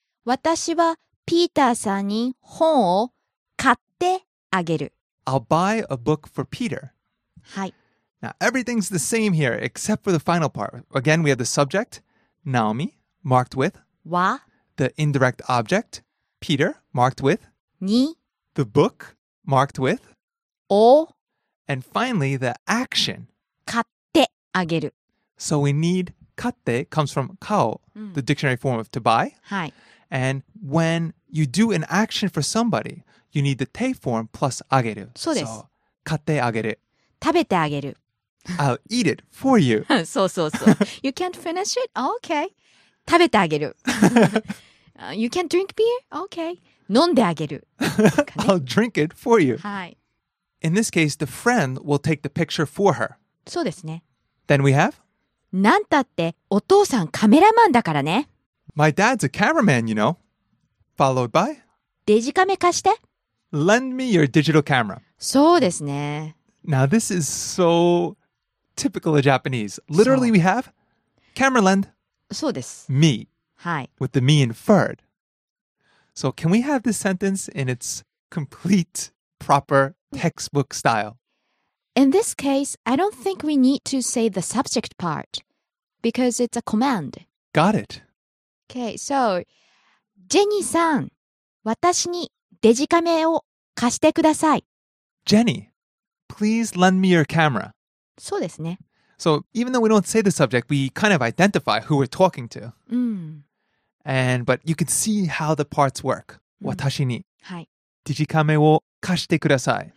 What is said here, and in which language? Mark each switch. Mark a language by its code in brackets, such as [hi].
[ja] 私はピーターさんに本を買ってあげる。 [en] I'll buy a book for Peter. [ja] はい。 [en] Now, everything's the same here, except for the final part. Again, we have the subject, Naomi, marked with [ja] wa. [en] The indirect object, Peter, marked with [ja] ni. [en] The book, marked with [ja] o. [en] And finally, the action, [ja] 買ってあげる. [en] So we need 買って comes from 買う, the dictionary form of to buy. [ja] はい. [en] And when you do an action for somebody, you need the te form plus あげる. [ja] そうです. So, 買ってあげる. 食べてあげる. [en] I'll eat it for you. [ja] そうそうそう. [en] You can't finish it? Okay. [ja] 食べてあげる。 [en] You can drink beer? Okay. [ja] 飲んであげる。 [en] I'll drink it for you. [ja] はい。 [en] In this case, the friend will take the picture for her. [ja] そうですね。 [en] Then we have? [ja] なんたってお父さんカメラマンだからね。 [en] My dad's a cameraman, you know. Followed by? [ja] デジカメ貸して。 [en] Lend me your digital camera. [ja] そうですね。 [en] Now this is so typical of Japanese. Literally we have? Camera lend. [ja] そうです。 [en] Me. [ja] はい。 [en] With the me inferred. So can we have this sentence in its complete, proper textbook style? In this case, I don't think we need to say the subject part because it's a command. Got it. Okay, so, [ja] Jenny さん、私にデジカメを貸してください。 [en] Jenny, please lend me your camera. [ja] そうですね。 [en] So even though we don't say the subject, we kind of identify who we're talking to. But you can see how the parts work. [ja] 私に。はい。デジカメを貸してください。